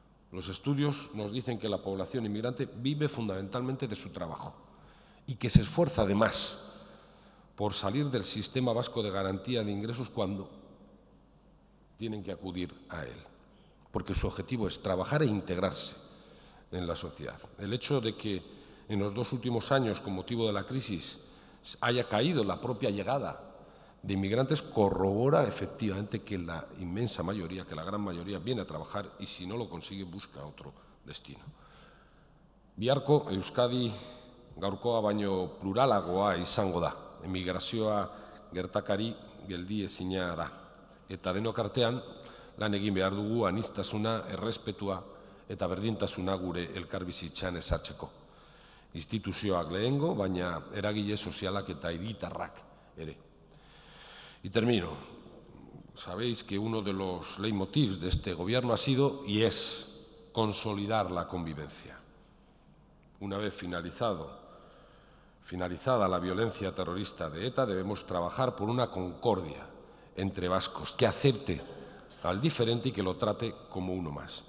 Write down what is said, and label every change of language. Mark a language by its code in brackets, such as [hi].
[es] Los estudios nos dicen que la población inmigrante vive fundamentalmente de su trabajo y que se esfuerza además por salir del sistema vasco de garantía de ingresos cuando tienen que acudir a él, porque su objetivo es trabajar e integrarse en la sociedad. El hecho de que en los dos últimos años, con motivo de la crisis, haya caído la propia llegada de inmigrantes corrobora efectivamente que la inmensa mayoría, que la gran mayoría, viene a trabajar y si no lo consigue busca otro destino. [eu] Biharko Euskadi gaurkoa baino pluralagoa izango da. Emigrazioa gertakari geldi ezina da. Eta denok artean lan egin behar dugu aniztasuna, errespetua eta berdintasuna gure elkarbizitzan ezartzeko. Instituzioak lehengo, baina eragile sozialak eta hiritarrak ere. [es] Y termino. Sabéis que uno de los leitmotivs de este gobierno ha sido y es consolidar la convivencia. Una vez finalizada la violencia terrorista de ETA, debemos trabajar por una concordia entre vascos que acepte al diferente y que lo trate como uno más.